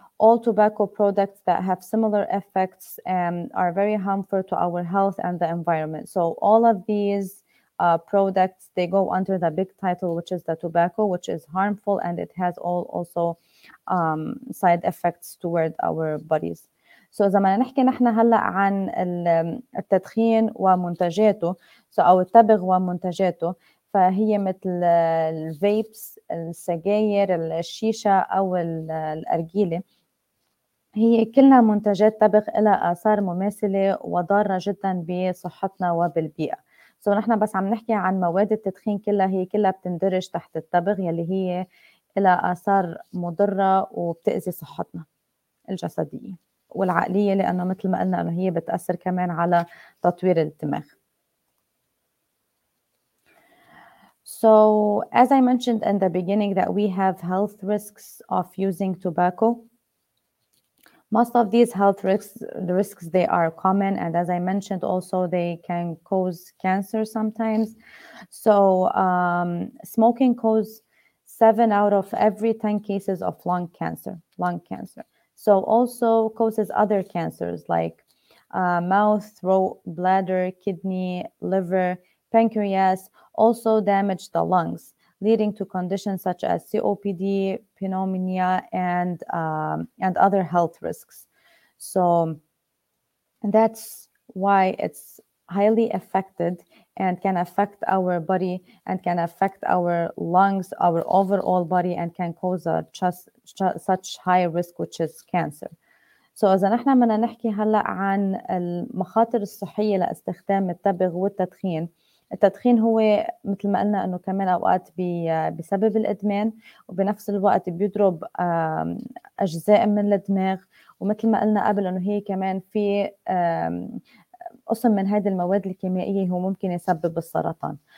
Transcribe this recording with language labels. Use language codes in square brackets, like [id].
[en] All tobacco products that have similar effects are very harmful to our health and the environment. So all of these products, they go under the big title, which is the tobacco, which is harmful, and it has all also side effects toward our bodies. [ar] So إذا ما نحكي نحن هلأ عن التدخين ومنتجاته، so أو التبغ ومنتجاته، فهي مثل الفيبس، السجاير، الشيشة أو الأرجيلة، هي كلها منتجات تبغ لها آثار مماثلة وضارة جداً بصحتنا وبالبيئة. So نحن بس عم نحكي عن مواد التدخين كلها، هي كلها بتندرج تحت التبغ يلي هي لها آثار مضرة وبتأذي صحتنا الجسدية والعقلية، لأنه مثل ما قلنا أنه هي بتأثر كمان على تطوير الدماغ. [en] So as I mentioned in the beginning that we have health risks of using tobacco. Most of these health risks, the risks, they are common, and as I mentioned also, they can cause cancer sometimes. So smoking causes 7 out of every 10 cases of lung cancer. So also causes other cancers like mouth, throat, bladder, kidney, liver, pancreas, also damage the lungs, leading to conditions such as COPD, pneumonia, and other health risks. So that's why it's highly affected and can affect our body and can affect our lungs, our overall body, and can cause a such high risk, which is cancer. [ar] So إذا نحن بدنا نحكي هلأ عن المخاطر الصحية لاستخدام التبغ والتدخين، التدخين هو مثل ما قلنا أنه كمان أوقات بسبب الإدمان، وبنفس الوقت بيضرب أجزاء من الدماغ، ومثل ما قلنا قبل أنه هي كمان في قسم من هذه المواد الكيميائية هو ممكن يسبب السرطان.